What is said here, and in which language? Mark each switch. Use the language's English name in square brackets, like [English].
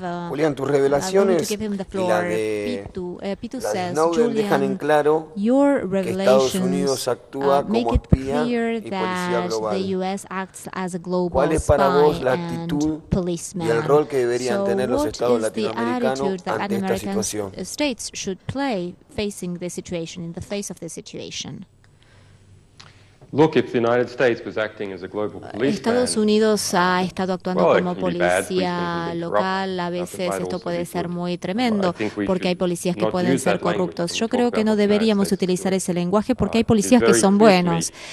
[Spanish] Julian, tus revelaciones y la de Snowden dejan en claro que Estados Unidos actúa como espía y policía global. ¿Cuál es para vos la actitud y el rol que deberían tener los estados latinoamericanos ante esta situación? [English] Facing the situation, in the face of the situation. [Spanish] Estados Unidos ha estado actuando como policía local, a veces esto puede ser muy tremendo, porque hay policías que pueden ser corruptos. Yo creo que no deberíamos utilizar ese lenguaje porque hay policías que son buenos.